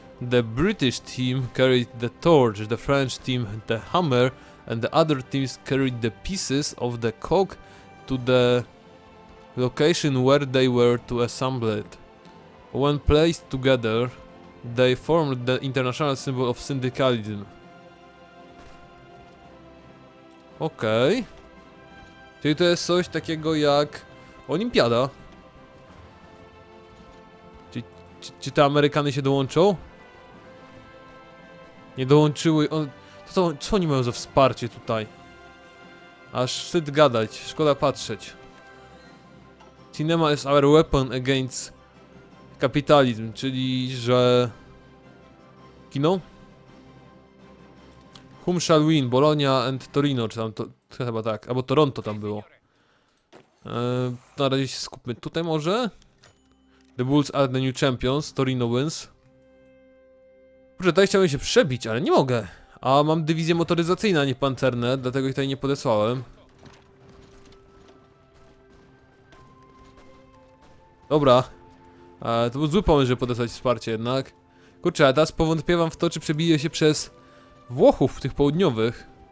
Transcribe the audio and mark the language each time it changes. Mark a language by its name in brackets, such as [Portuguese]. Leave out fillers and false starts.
[English] The British team carried the torch, the French team the hammer, and the other teams carried the pieces of the cock to the location where they were to assemble it. When placed together, they formed the international symbol of syndicalism. [Polish] Okej. Czyli to jest coś takiego jak olimpiada. Czy te Amerykany się dołączą? Nie dołączyły. Co oni mają za wsparcie tutaj? Aż wstyd gadać, szkoda patrzeć. [English] Cinema is our weapon against kapitalizm, [Polish] czyli że... Kino? [English] Whom shall win? Bologna and Torino, [Polish] czy tam to... Chyba tak, albo Toronto tam było. Na razie się skupmy tutaj może? [English] The Bulls are the new champions, Torino wins. [Polish] Proszę, tutaj chciałbym się przebić, ale nie mogę. A mam dywizję motoryzacyjną, a nie pancerne, dlatego ich tutaj nie podesłałem. Dobra, to był zły pomysł, żeby podesłać wsparcie jednak. Kurczę, teraz powątpiewam w to, czy przebiję się przez Włochów tych południowych.